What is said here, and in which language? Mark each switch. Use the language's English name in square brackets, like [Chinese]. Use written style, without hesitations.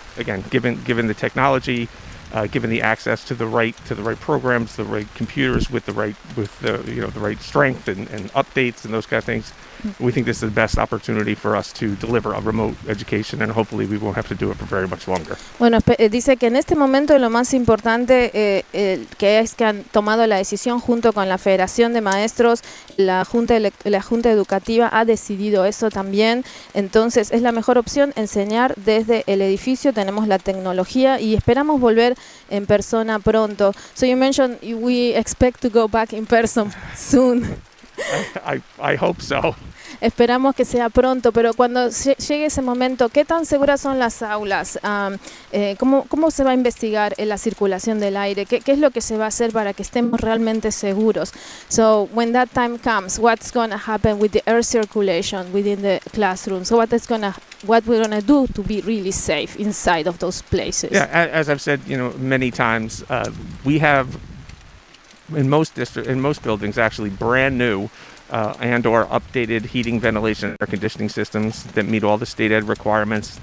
[English] Again, given the technology, given the access to the right programs, the right computers with the right strength and updates and those kind of things. We think this is the best opportunity for us to deliver a remote education, and hopefully we won't have to do it for very much longer. [Spanish] Bueno, dice que en este momento lo más importante que es que han tomado la decisión junto con la Federación de Maestros, la Junta Educativa ha decidido eso también. Entonces es la mejor opción enseñar desde el edificio. Tenemos la tecnología y esperamos volver en persona pronto. [English] So you mentioned we expect to go back in person soon. I hope so. [Spanish] Esperamos que sea pronto, pero cuando llegue ese momento, ¿qué tan seguras son las aulas? ¿Cómo se va a investigar en la circulación del aire? ¿Qué es lo que se va a hacer para que estemos realmente seguros? [English] So when that time comes, what's going to happen with the air circulation within the classroom? So what we're going to do to be really safe inside of those places? Yeah, as I've said, you know, many times, we have in most districts, in most buildings, actually brand new and/or updated heating, ventilation, air conditioning systems that meet all the state ed requirements.